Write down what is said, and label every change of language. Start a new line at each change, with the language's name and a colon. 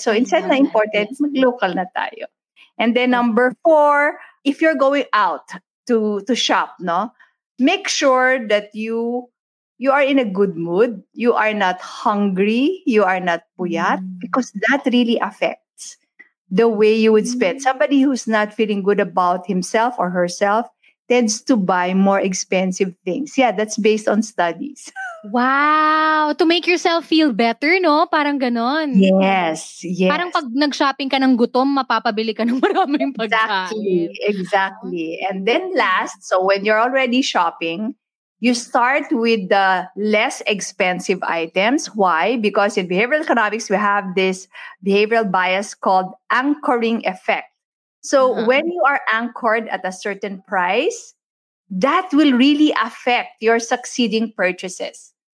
English: So instead na important,
Filipino: mag-local na tayo.
English: And then number 4, if you're going out to shop, no, make sure that you are in a good mood, you are not hungry, you are not puyat, because that really affects the way you would spend. Somebody who's not feeling good about himself or herself tends to buy more expensive things. Yeah, that's based on studies. Wow! To make yourself feel better, no?
Filipino: Parang ganon.
English: Yes, yes.
Filipino: Parang pag nag-shopping ka ng gutom, mapapabili ka ng maraming pagkain.
English: Exactly, exactly. And then last, so when you're already shopping, you start with the less expensive items. Why? Because in behavioral economics, we have this behavioral bias called anchoring effect. So when you are anchored at a certain price, that will really affect your succeeding purchases.